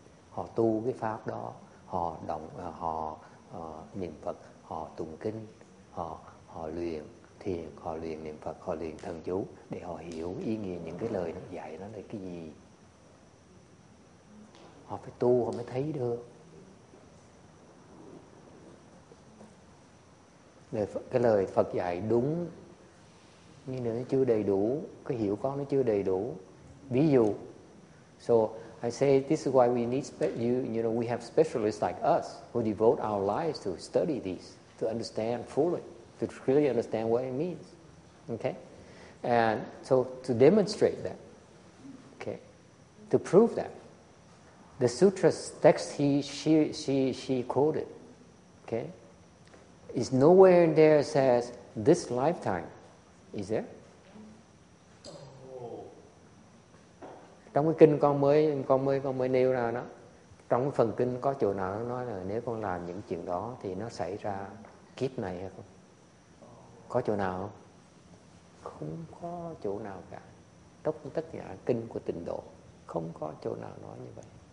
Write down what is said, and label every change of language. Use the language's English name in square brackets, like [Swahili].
[Vietnamese] Họ tu cái pháp đó, họ niệm Phật, họ tụng kinh, họ luyện thiền, họ luyện niệm Phật, họ luyện thần chú để họ hiểu ý nghĩa những cái lời nó dạy nó là cái gì. Họ phải tu, họ mới thấy được. Cái lời Phật dạy đúng, nhưng nó chưa đầy đủ, cái hiểu con nó chưa đầy đủ. Ví dụ, [English] so I say this is why we need we have specialists like us who devote our lives to study these, to understand fully, to really understand what it means. Okay? And so to demonstrate that, okay, to prove that, the sutras text she quoted, okay, is nowhere in there says this lifetime, is there? [Vietnamese] Trong cái kinh con mới nêu ra đó, trong cái phần kinh có chỗ nào nó nói là nếu con làm những chuyện đó thì nó xảy ra kiếp này hay không? Có chỗ nào không? Không có chỗ nào cả. Trong tất cả kinh của Tịnh Độ không có chỗ nào nói như vậy.